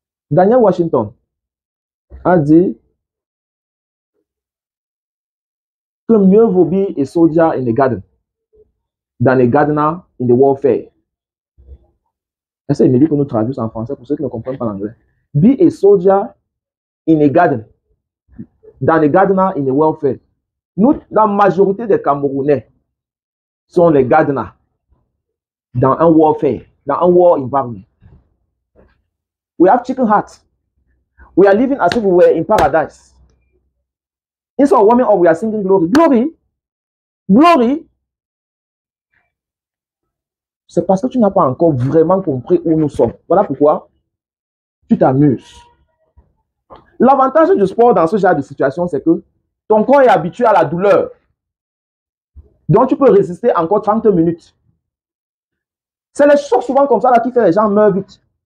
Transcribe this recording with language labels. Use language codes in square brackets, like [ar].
[en] Daniel Washington [fr] a dit que mieux vaut [en] be a soldier in the garden than a gardener in the warfare. [fr] Est-ce que Emily peut nous traduire en français pour ceux qui ne comprennent pas l'anglais? [en] Be a soldier in a garden than a gardener in a welfare. [fr] Nous, la majorité des Camerounais sont les gardeners dans un warfare, dans un [en] war environment. We have chicken hearts. We are living as if we were in paradise. Instead of warming up, we are singing glory. Glory! Glory! [fr] C'est parce que tu n'as pas encore vraiment compris où nous sommes. Voilà pourquoi tu t'amuses. L'avantage du sport dans ce genre de situation, c'est que ton corps est habitué à la douleur. Donc, tu peux résister encore 30 minutes. C'est les choses souvent comme ça là, qui font que les gens meurent vite.